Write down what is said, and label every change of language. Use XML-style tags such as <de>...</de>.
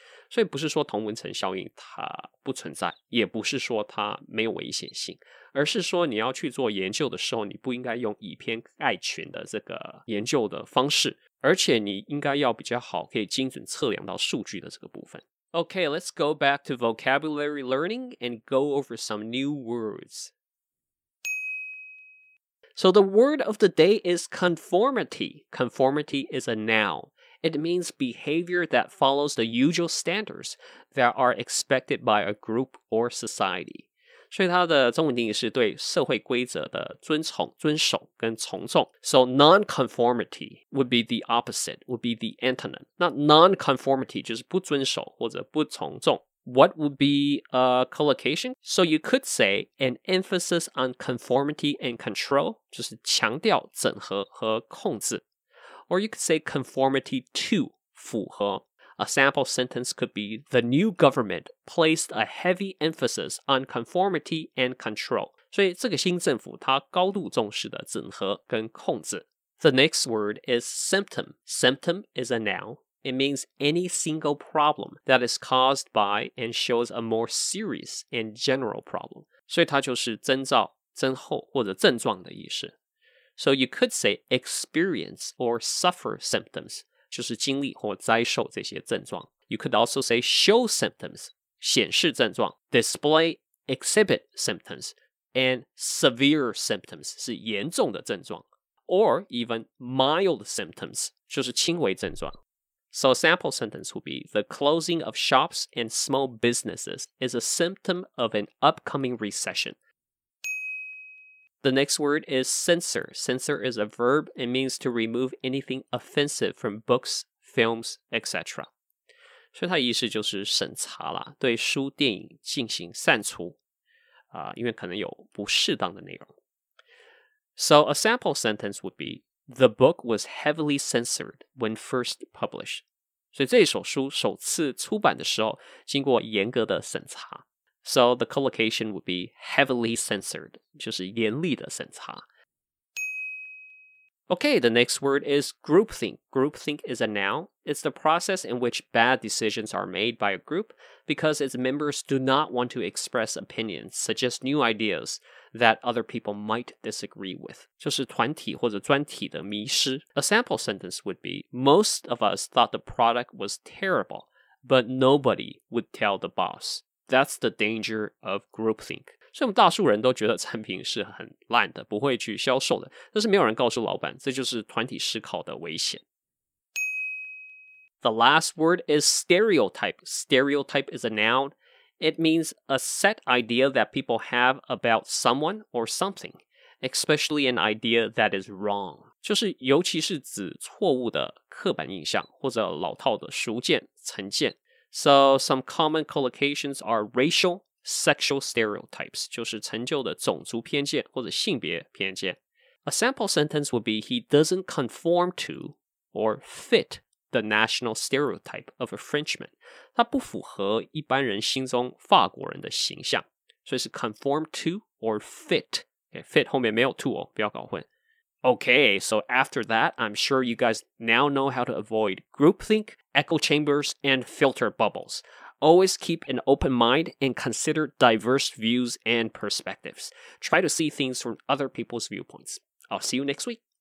<zh>所以不是说同温层效应它不存在，也不是说它没有危险性，而是说你要去做研究的时候，你不应该用以偏概全的这个研究的方式，而且你应该要比较好可以精准测量到数据的这个部分。</zh> <en>OK, let's go back to vocabulary learning and go over some new words. So the word of the day is conformity. Conformity is a noun. It means behavior that follows the usual standards that are expected by a group or society.</en> <zh>所以它的中文定义是对社会规则的遵从、遵守跟从众。</zh> <en>So non-conformity would be the opposite, would be the antonym.</en> <zh>那 non-conformity 就是不遵守或者不从众。</zh> <en>What would be a collocation? So you could say an emphasis on conformity and control,</en> <zh>就是强调整合和控制。</zh> <en>Or you could say conformity to, 符合。 A sample sentence could be, the new government placed a heavy emphasis on conformity and control.</en> <zh>所以这个新政府它高度重视的整合跟控制。</zh> <en>The next word is symptom. Symptom is a noun. It means any single problem that is caused by and shows a more serious and general problem.</en> <zh>所以它就是征兆、征候或者症状的意思。</zh> <en>So you could say experience or suffer symptoms,</en> <zh>就是经历或灾受这些症状。</zh> <en>You could also say show symptoms,</en> <zh>显示症状。</zh> <en>Display, exhibit symptoms, and severe symptoms,</en> <zh>是严重的症状。</zh> <en>Or even mild symptoms,</en> <zh>就是轻微症状。</zh> <en>So a sample sentence would be, the closing of shops and small businesses is a symptom of an upcoming recession. The next word is censor. Censor is a verb and means to remove anything offensive from books, films, etc.</en> <zh>所以它意思就是审查啦，对书电影进行删除，因为可能有不适当的内容。</zh> <en>So a sample sentence would be, the book was heavily censored when first published.</en> <zh>所以这首书首次出版的时候经过严格的审查。</zh> <en>So the collocation would be heavily censored,</en> <zh>就是严厉的审查。</zh> <en>Okay, the next word is groupthink. Groupthink is a noun. It's the process in which bad decisions are made by a group because its members do not want to express opinions, suggest new ideas that other people might disagree with.</en> <zh>就是团体或者专体的迷失。</zh> <en>A sample sentence would be, most of us thought the product was terrible, but nobody would tell the boss. That's the danger of groupthink.</en> <zh>所以我们大数人都觉得产品是很烂的，不会去销售的，但是没有人告诉老板，这就是团体思考的危险。</zh> <en>The last word is stereotype. Stereotype is a noun. It means a set idea that people have about someone or something, especially an idea that is wrong.</en> <zh>就是尤其是指错误的刻板印象，或者老套的熟见、成见。</zh> <en>So some common collocations are racial,Sexual stereotypes,</en> <zh>就是成就的种族偏见或者性别偏见。</zh> <en>A sample sentence would be, he doesn't conform to or fit the national stereotype of a Frenchman.</en> <zh>他不符合一般人心中法国人的形象。所以是</zh> <en>conform to or fit.</en> <zh>Okay, fit 后面没有 to 哦，不要搞混。</zh> <en>Okay, so after that, I'm sure you guys now know how to avoid groupthink, echo chambers, and filter bubbles. Always keep an open mind and consider diverse views and perspectives. Try to see things from other people's viewpoints. I'll see you next week.</en>